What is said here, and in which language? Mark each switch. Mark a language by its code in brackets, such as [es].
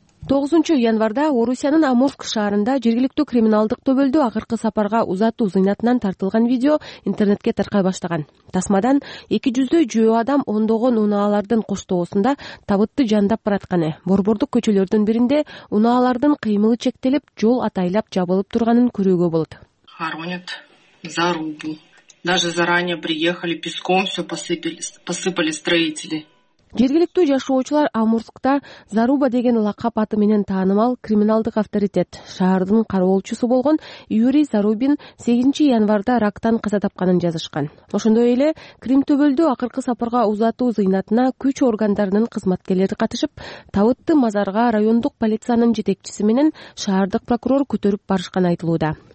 [ky] 9 январда Орусиянын Амурск шаарында жергиликтүү криминалдык төбөлдү акыркы сапарга узатуу зыйнатынан тартылган видео интернетке таркай баштаган. Тасмадан 200-дөй жүө адам ондогон унаалардын коштоосунда табытты жандап баратканы, борбордук көчөлөрдүн биринде унаалардын кыймылы чектелип, жол атайлап жабылып турганын көрүүгө болот. [ru] Хоронят за рубу. Даже заранее приехали, песком все посыпали строители. [ky] Жергиликтүү жашоочулар Амурскта Заруба деген лакап аты менен таанымал криминалдык авторитет. Шаардын кароолчусу болгон Юрий Зарубин 8 январда рактан каза тапканын жазышкан. Ошондой эле Крым төбөлдү акыркы сапарга узатуу зыйнатына күч органдарынын кызматкерлери катышып, табытты мазарга райондук полициянын жетекчиси менен шаардык прокурор көтөрүп барышканы айтылууда.